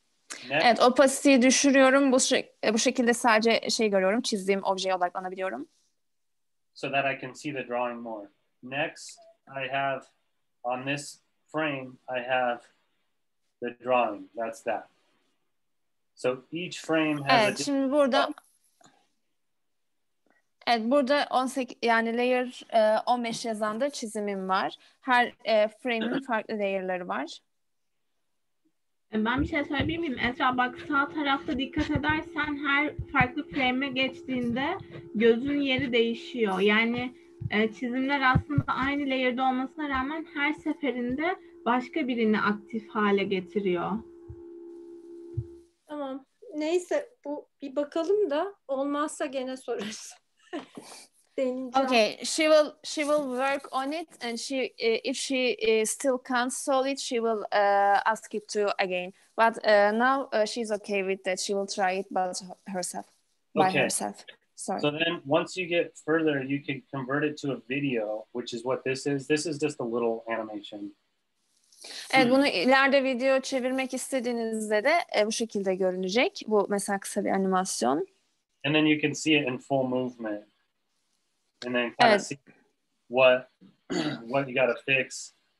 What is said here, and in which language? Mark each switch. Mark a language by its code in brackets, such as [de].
[tr] Next. Evet, opacity'yi düşürüyorum. Bu şekilde sadece şey görüyorum. Çizdiğim objeye odaklanabiliyorum. [en] So that I can see the drawing more. Next, I have on this frame, I have the drawing. That's that. So each frame has [tr] evet, şimdi burada evet, burada 18 yani layer 15 yazanda çizimim var. Her frame'in farklı layer'ları var. Ben bir şey söyleyebilir miyim? Esra bak, sağ tarafta dikkat edersen her farklı frame'e geçtiğinde gözün yeri değişiyor. Yani çizimler aslında aynı layer'da olmasına rağmen her seferinde başka birini aktif hale getiriyor. Tamam. Neyse, bu bir bakalım da olmazsa gene sorarız. [en] Okay, she will work on it, and she if she still can't solve it, she will ask it to again. But now she's okay with that. She will try it by herself. Sorry. So then, once you get further, you can convert it to a video, which is what this is. This is just a little animation. [tr] Evet, bunu ileride video çevirmek istediğinizde de bu şekilde görünecek. Bu mesela kısa bir animasyon. [en] And then you can see it in full movement. And then kind of see what you got to fix.